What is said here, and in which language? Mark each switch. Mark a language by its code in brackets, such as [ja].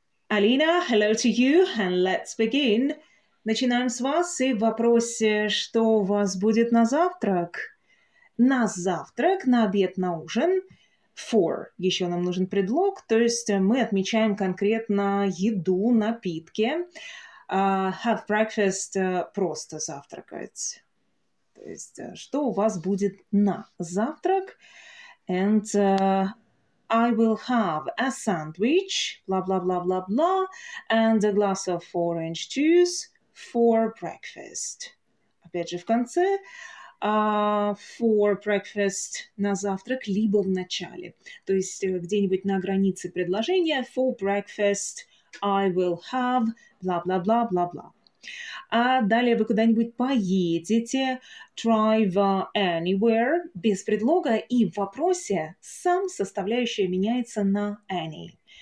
[en] Алина, hello to you, and let's begin. [ru] Начинаем с вас и в вопросе, что у вас будет на завтрак? На завтрак, на обед, на ужин. [en] For. [ru] Еще нам нужен предлог, то есть мы отмечаем конкретно еду, напитки. [en] Have breakfast [ru] – просто завтракать. То есть что у вас будет на завтрак? [en] And I will have a sandwich, blah-blah-blah-blah-blah, and a glass of orange juice for breakfast. [ru] Опять же в конце – [en] for breakfast [ru] на завтрак, либо в начале. То есть где-нибудь на границе предложения [en] for breakfast I will have [ru] бла-бла-бла-бла-бла. А далее вы куда-нибудь поедете, [en] drive anywhere, [ru] без предлога, и в вопросе сам составляющая меняется на any.